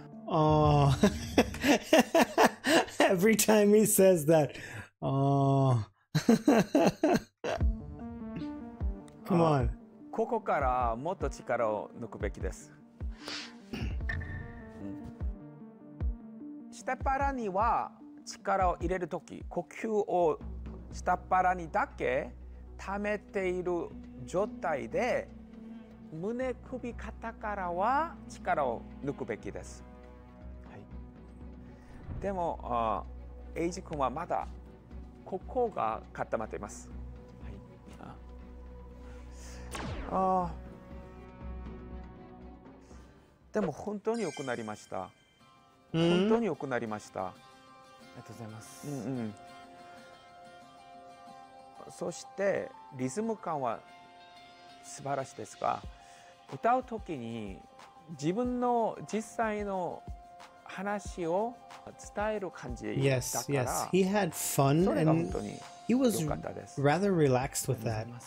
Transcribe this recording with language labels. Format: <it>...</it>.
<en>Oh. Every time he says that, oh. Come on.</en> <ja>ここからもっと力を抜くべきです。下っ腹には力を入れるとき、呼吸を下っ腹にだけ溜めている状態で、胸、首、肩からは力を抜くべきです。はい、でも、エイジ君はまだここが固まっています。はい、でも本当に良くなりました。本当に良くなりました。ありがとうございます。うんうん、そしてリズム感は素晴らしいですが、歌うときに自分の実際の話を伝える感じだから、</ja> <en>yes, yes. He had fun and he was rather relaxed with that.</en>